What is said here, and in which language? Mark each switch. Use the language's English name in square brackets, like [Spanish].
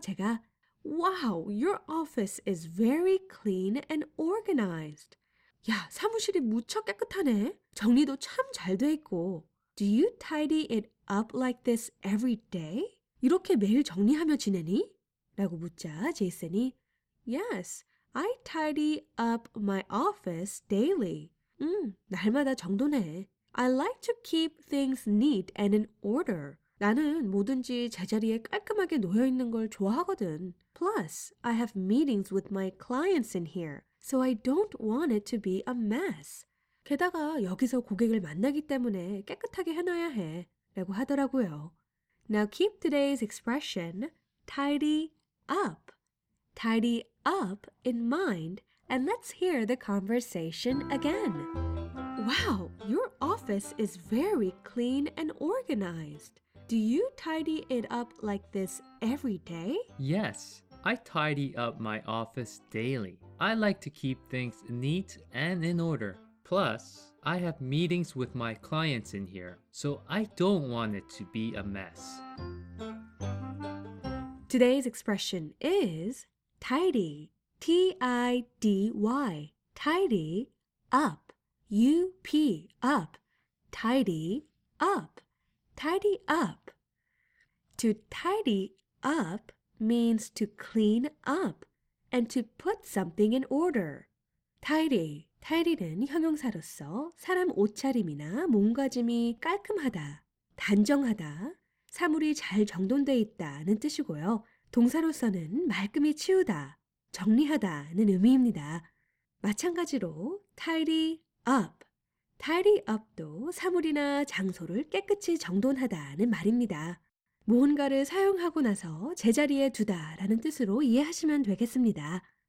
[Korean] 제가 [English] Wow, your office is very clean and organized. [Korean] 야, 사무실이 무척 깨끗하네. 정리도 참 잘 돼 있고. [English] Do you tidy it up like this every day? [Korean] 이렇게 매일 정리하며 지내니? 라고 묻자 제이슨이 [English] Yes, I tidy up my office daily. [Korean] 날마다 정돈해. [English] I like to keep things neat and in order. [Korean] 나는 뭐든지 제자리에 깔끔하게 놓여 있는 걸 좋아하거든. [English] Plus, I have meetings with my clients in here, so I don't want it to be a mess. [Korean] 게다가 여기서 고객을 만나기 때문에 깨끗하게 해놔야 해, 라고 하더라고요. [English] Now keep today's expression, tidy up. Tidy up in mind, and let's hear the conversation again. Wow, your office is very clean and organized. Do you tidy it up like this every day? Yes, I tidy up my office daily. I like to keep things neat and in order. Plus, I have meetings with my clients in here, so I don't want it to be a mess. Today's expression is tidy, T-I-D-Y, tidy up, U-P, up, tidy up. Tidy up. To tidy up means to clean up and to put something in order. [Korean] Tidy, tidy는 형용사로서 사람 옷차림이나 몸가짐이 깔끔하다, 단정하다, 사물이 잘 정돈되어 있다는 뜻이고요. 동사로서는 말끔히 치우다, 정리하다는 의미입니다. 마찬가지로 tidy up. Tidy up도 사물이나 장소를 깨끗이 정돈하다는 말입니다. 무언가를 사용하고 나서 제자리에 두다라는 뜻으로 이해하시면 되겠습니다.